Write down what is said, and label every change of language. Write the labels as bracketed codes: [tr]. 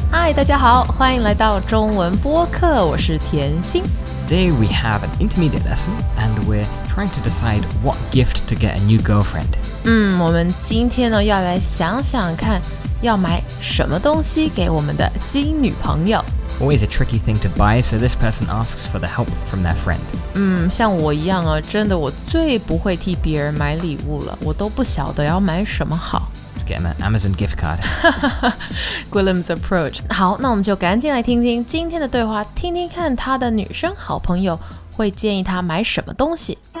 [zh] Hi, 大家好，欢迎来到中文播客，我是甜心。 [en] Today we have an intermediate lesson, and we're trying to decide what gift to get a new girlfriend. [zh] 我们今天呢要来想想看，要买什么东西给我们的新女朋友。 [en] Always a tricky thing to buy, so this person asks for the help from their friend. [zh] 像我一样啊，真的我最不会替别人买礼物了，我都不晓得要买什么好。 [en] Get him an Amazon gift card. Guilin's approach. [zh] 好，那我们就赶紧来听听今天的对话，听听看他的女生好朋友会建议他买什么东西。